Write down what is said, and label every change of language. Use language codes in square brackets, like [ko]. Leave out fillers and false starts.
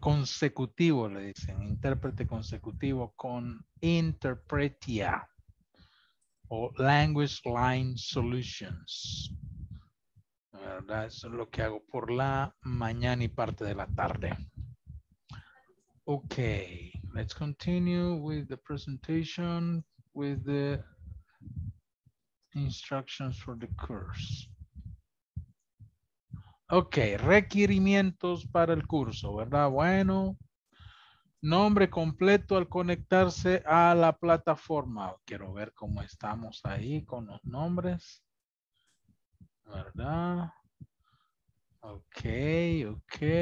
[es] Consecutivo, le dicen, intérprete consecutivo con Interpretia. O Language Line Solutions. ¿Verdad? Eso es lo que hago por la mañana y parte de la tarde. [en] Okay, let's continue with the presentation with the instructions for the course. [es] Okay, requerimientos para el curso, ¿verdad? Bueno, nombre completo al conectarse a la plataforma. Quiero ver cómo estamos ahí con los nombres. ¿Verdad? Ok, ok.